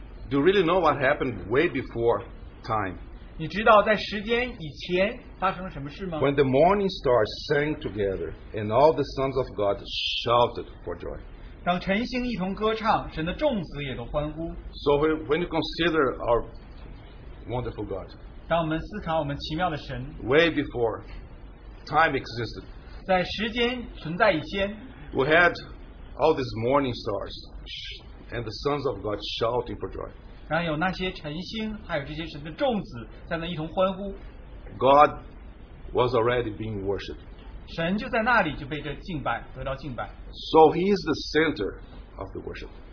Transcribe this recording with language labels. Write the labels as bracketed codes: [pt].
[en] Do you really know what happened way before time? [zh] 你知道在时间以前发生了什么事吗? [en] When the morning stars sang together, and all the sons of God shouted for joy. [zh] 当晨星一同歌唱, 神的众子也都欢呼。 [en] So when you consider our wonderful God, [zh] 当我们思考我们奇妙的神, [en] way before time existed, [zh] 在时间存在以前, [en] we had all these morning stars and the sons of God shouting for joy. [zh] 然后有那些晨星，还有这些神的众子在那一同欢呼。 [en] God was already being worshipped. [zh] 神就在那里就被这敬拜，得到敬拜。 [en] So he is the center of the worship.